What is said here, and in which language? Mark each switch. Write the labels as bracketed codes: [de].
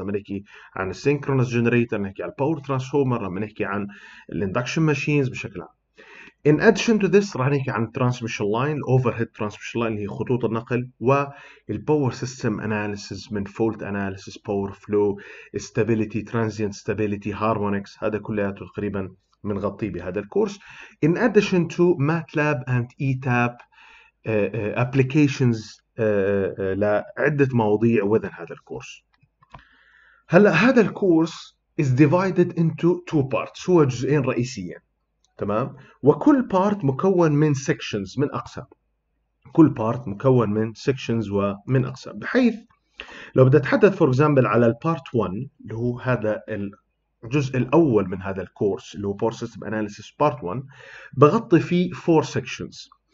[ar] لما نحكي عن السينكرونس جنريتر، نحكي عن الباور ترانسفورمر، لما نحكي عن الاندكشن ماشينز بشكل عام. [en] In addition to this [ar] راح نحكي عن [en] transmission line, overhead transmission line [ar] اللي هي خطوط النقل، وال [en] power system analysis [ar] من [en] fault analysis, power flow, stability, transient stability, harmonics. [ar] هذا كله تقريبا منغطي بهذا الكورس. [en] In addition to MATLAB and ETAP applications [ar] لعدة مواضيع [en] within [ar] هذا الكورس. هلا هذا الكورس [en] is divided into two parts، [ar] هو جزئين رئيسيين، تمام، وكل بارت مكون من سيكشنز، من اقسام. كل بارت مكون من سيكشنز ومن اقسام، بحيث لو بدي اتحدث [en] for example [ar] على البارت 1 اللي هو هذا الجزء الاول من هذا الكورس اللي هو باور سيستم اناليسيس بارت 1، بغطي فيه 4 سيكشنز.